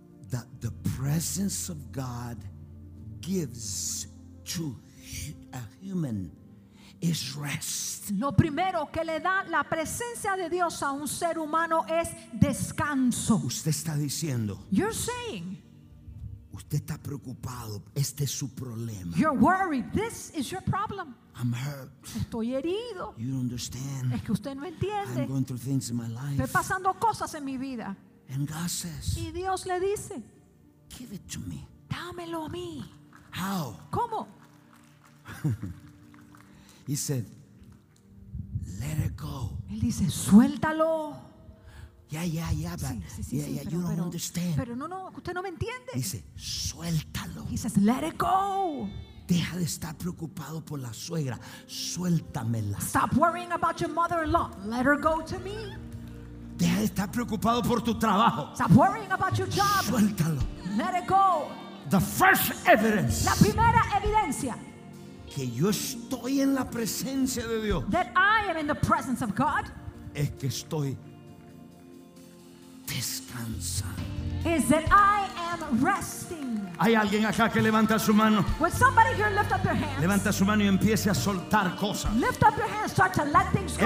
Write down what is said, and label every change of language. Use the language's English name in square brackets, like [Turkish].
[English] that the presence of God gives to a human is rest. [Spanish] Lo primero que le da la presencia de Dios a un ser humano es descanso. Usted está diciendo. [English] You're saying. [Spanish] Usted está preocupado. Este es su problema. [English] You're worried. This is your problem. I'm hurt. [Spanish] Estoy herido. [English] You don't understand. [Spanish] Es que usted no entiende. [English] I'm going through things in my life. [Spanish] Estoy pasando cosas en mi vida. [English] And God says. [Spanish] Y Dios le dice. [English] Give it to me. [Spanish] Dámelo a mí. [English] How? [Spanish] ¿Cómo? [English] He said, let it go. [Spanish] Él dice, suéltalo. [English] Yeah, yeah, yeah, but you don't understand. [Spanish] Pero no, usted no me entiende. Dice, suéltalo. [English] He says, let it go. [Spanish] Deja de estar preocupado por la suegra. Suéltamela. [English] Stop worrying about your mother-in-law. Let her go to me. [Spanish] Deja de estar preocupado por tu trabajo. [English] Stop worrying about your job. [Spanish] Suéltalo. [English] Let it go. The first evidence. [Spanish] La primera evidencia. Que yo estoy en la presencia de Dios. [English] That I am in the presence of God. [Spanish] Es que estoy descansa. [English] Is that I am resting. [Spanish] Hay alguien acá que levanta su mano. [English] Would somebody here lift up your hands? [Spanish] Levanta su mano y empiece a soltar cosas. [English] Lift up your hands, start to let things go.